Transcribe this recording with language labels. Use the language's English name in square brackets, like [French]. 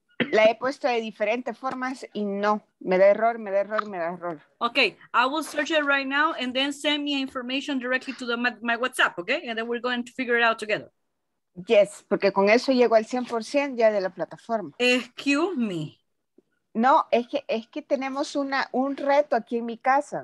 [Spanish] La he puesto de diferentes formas y no. Me da error, me da error, me da error. [English] Okay. I will search it right now and then send me information directly to my WhatsApp, okay? And then we're going to figure it out together. Yes, [Spanish] porque con eso llego al 100% ya de la plataforma. [English] Excuse me. [Spanish] No, es que tenemos un reto aquí en mi casa.